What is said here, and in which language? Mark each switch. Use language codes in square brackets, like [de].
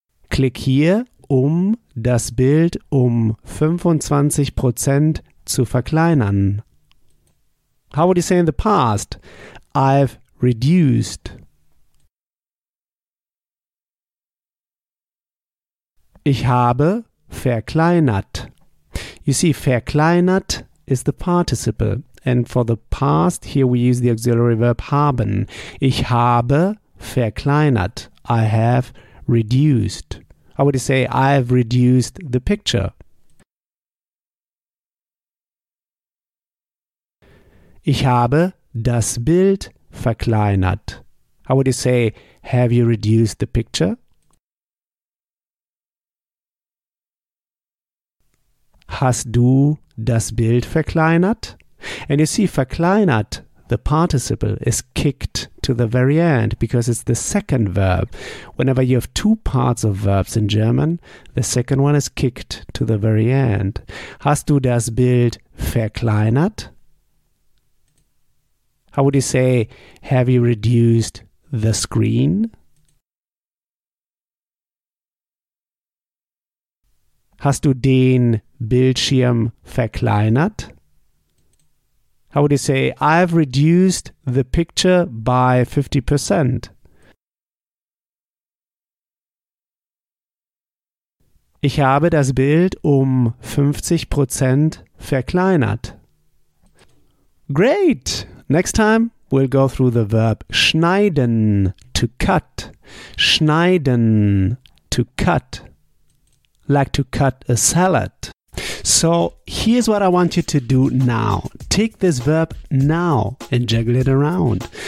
[en] Click here, [de] das Bild 25% zu verkleinern. [en] How would you say in the past? I've reduced. [de] Ich habe verkleinert. [en] You see, verkleinert is the participle. And for the past, here we use the auxiliary verb haben. [de] Ich habe verkleinert. [en] I have reduced. How would you say, I have reduced the picture? [de] Ich habe das Bild verkleinert. [en] How would you say, have you reduced the picture? [de] Hast du das Bild verkleinert? [en] And you see, verkleinert, the participle, is kicked to the very end because it's the second verb. Whenever you have two parts of verbs in German, the second one is kicked to the very end. [de] Hast du das Bild verkleinert? [en] How would you say, have you reduced the screen? [de] Hast du den Bildschirm verkleinert? [en] How would you say, I've reduced the picture by 50%? [de] Ich habe das Bild 50% verkleinert. [en] Great! Next time we'll go through the verb schneiden, to cut. Schneiden, to cut. Like to cut a salad. So here's what I want you to do now. Take this verb now and juggle it around.